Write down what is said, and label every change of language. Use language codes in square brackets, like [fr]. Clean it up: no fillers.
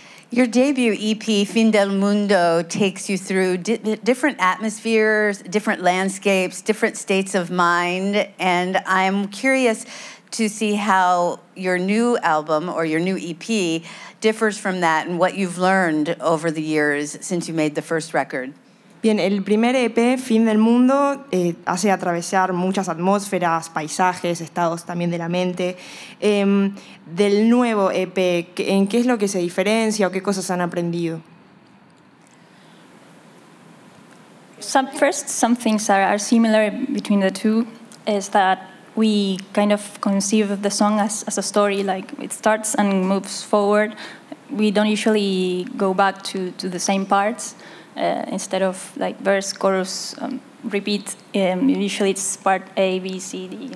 [en] Your debut EP, Fin del Mundo, takes you through different atmospheres, different landscapes, different states of mind, and I'm curious to see how your new album or your new EP differs from that and what you've learned over the years since you made the first record. [es] Bien, el primer EP, Fin del Mundo, hace atravesar muchas atmósferas, paisajes, estados también de la mente. Del nuevo EP, ¿en qué es lo que se diferencia o qué cosas han aprendido? [en] Some things are similar between the two is that we kind of conceive of the song as a story, like it starts and moves forward. We don't usually go back to the same parts. Instead of like verse, chorus, repeat, usually it's part A, B, C, D.